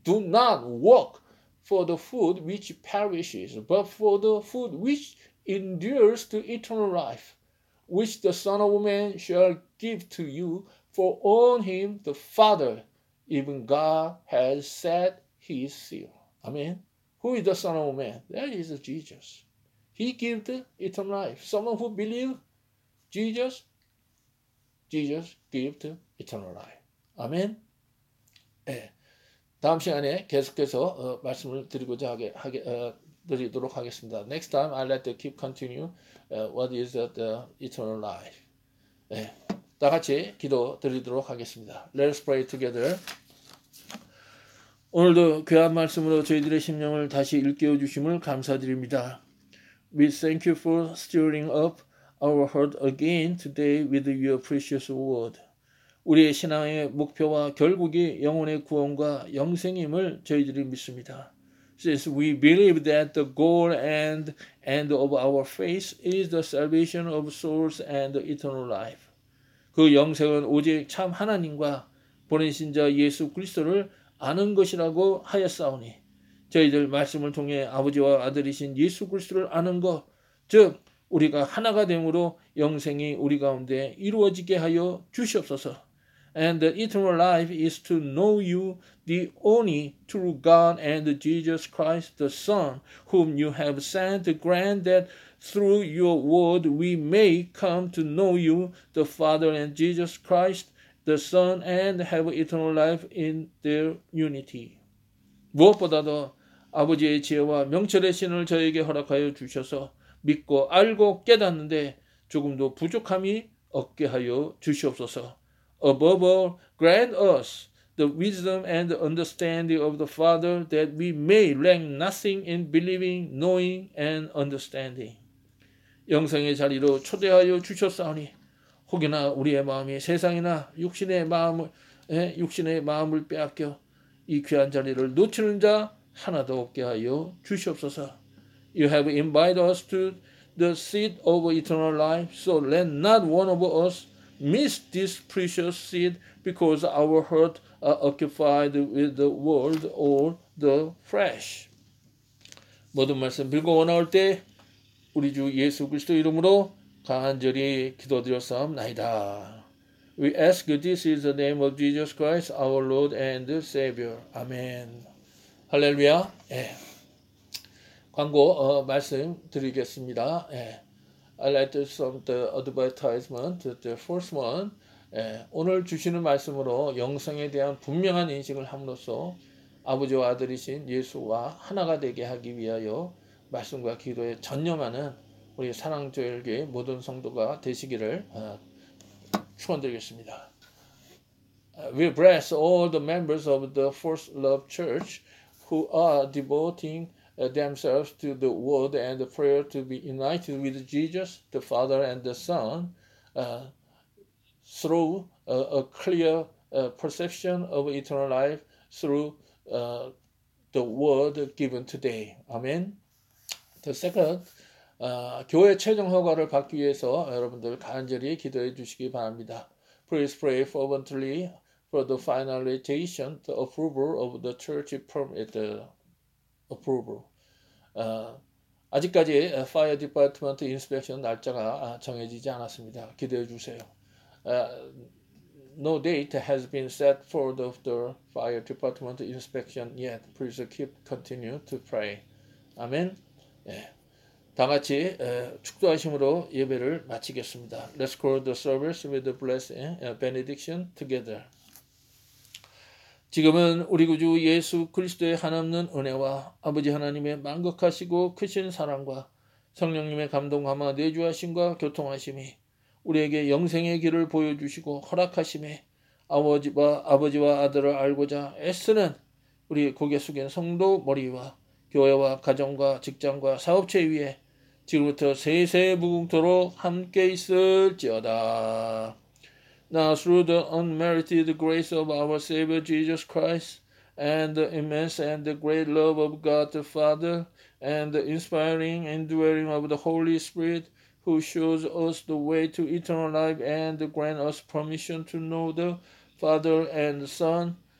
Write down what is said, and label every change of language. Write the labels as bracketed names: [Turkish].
[English] Do not work for the food which perishes, but for the food which endures to eternal life, which the Son of Man shall give to you, for on him the Father, even God, has set his seal. Amen. Who is the Son of Man? That is Jesus. He gives eternal life. Someone who believes Jesus, Jesus gives eternal life. [Korean] 아멘. 네. 다음 시간에 계속해서 말씀을 드리고자 드리도록 하겠습니다. [English] Next time I'll let you keep continue what is the eternal life. [Korean] 네. 다 같이 기도 드리도록 하겠습니다. [English] Let us pray together. [Korean] 오늘도 귀한 말씀으로 저희들의 심령을 다시 일깨워 주심을 감사드립니다. [English] We thank you for stirring up our heart again today with your precious word. [Korean] 우리의 신앙의 목표와 결국이 영혼의 구원과 영생임을 저희들이 믿습니다. [English] Since we believe that the goal and end of our faith is the salvation of souls and eternal life. [Korean] 그 영생은 오직 참 하나님과 보내신 자 예수 그리스도를 아는 것이라고 하였사오니 저희들 말씀을 통해 아버지와 아들이신 예수 그리스도를 아는 것, 즉 우리가 하나가 되므로 영생이 우리 가운데 이루어지게 하여 주시옵소서. [English] And the eternal life is to know you, the only true God and Jesus Christ, the Son, whom you have sent. Grant that through your word we may come to know you, the Father and Jesus Christ, the Son, and have eternal life in their unity. [Korean] 무엇보다도 아버지의 지혜와 명철의 신을 저에게 허락하여 주셔서 믿고 알고 깨닫는데 조금도 부족함이 없게 하여 주시옵소서. [English] Above all, grant us the wisdom and the understanding of the Father that we may lack nothing in believing, knowing, and understanding. [Korean] 영생의 자리로 초대하여 주셨사오니 혹이나 우리의 마음이 세상이나 육신의 마음을 빼앗겨 이 귀한 자리를 놓치는 자 하나도 없게 하여 주시옵소서. [English] You have invited us to the seat of eternal life, so let not one of us miss this precious seed because our hearts are occupied with the world or the flesh. [Korean] 모든 말씀 빌고 원하올 때 우리 주 예수 그리스도 이름으로 간절히 기도드렸사옵나이다. [English] We ask this in the name of Jesus Christ, our Lord and Savior. [Korean] Amen. 할렐루야. 예. 광고 말씀 드리겠습니다. [English] 예. I like some the advertisement. The first one, [Korean] 예, 오늘 주시는 말씀으로 영생에 대한 분명한 인식을 함으로써 아버지와 아들이신 예수와 하나가 되게 하기 위하여 말씀과 기도에 전념하는 우리 사랑조일교회 모든 성도가 되시기를 추원드리겠습니다. [English] We bless all the members of the First Love Church who are devoting themselves to the word and the prayer to be united with Jesus, the Father and the Son through a clear perception of eternal life through the word given today. [Korean] Amen. [English] The second, [Korean] 교회 최종 허가를 받기 위해서 여러분들 간절히 기도해 주시기 바랍니다. [English] Please pray fervently for the finalization, the approval of the church permit approval. [Korean] 아직까지 Fire Department Inspection 날짜가 정해지지 않았습니다. 기대해 주세요. [English] No date has been set for the Fire Department Inspection yet. Please keep continue to pray. Amen. 예. [Korean] 다 같이 축도하심으로 예배를 마치겠습니다. [English] Let's close the service with the blessing, benediction together. [Korean] 지금은 우리 구주 예수 그리스도의 한없는 은혜와 아버지 하나님의 만극하시고 크신 사랑과 성령님의 감동감화 내주하심과 교통하심이 우리에게 영생의 길을 보여주시고 허락하심에 아버지와 아들을 알고자 애쓰는 우리 고개 숙인 성도 머리와 교회와 가정과 직장과 사업체 위에 지금부터 세세무궁토록 함께 있을지어다. [English] Now through the unmerited grace of our Savior Jesus Christ and the immense and the great love of God the Father and the inspiring indwelling of the Holy Spirit who shows us the way to eternal life and grant us permission to know the Father and the Son